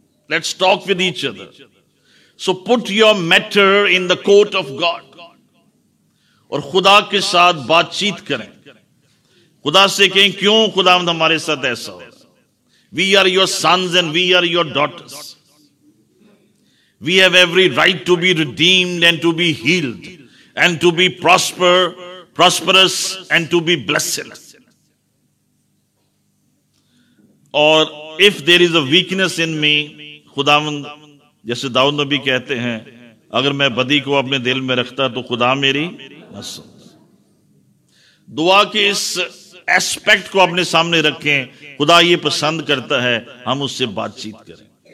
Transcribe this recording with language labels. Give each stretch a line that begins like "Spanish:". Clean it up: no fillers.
English: Let's talk with each other. So put your matter in the court of God.
Hindi: और खुदा के साथ बातचीत करें। खुदा से कहें, क्यों खुदावंद हमारे साथ ऐसा हो?
English: We are your sons and we are your daughters. We have every right to be redeemed and to be healed and to be prosperous and to be blessed.
Hindi: और
English: if there is a weakness in me,
Hindi: खुदावंद जैसे दाऊद नबी कहते हैं, अगर मैं बदी को अपने दिल में रखता तो खुदा मेरी न सुनता। दुआ के इस एस्पेक्ट को अपने सामने रखें, खुदा ये पसंद करता है हम उससे बातचीत करें।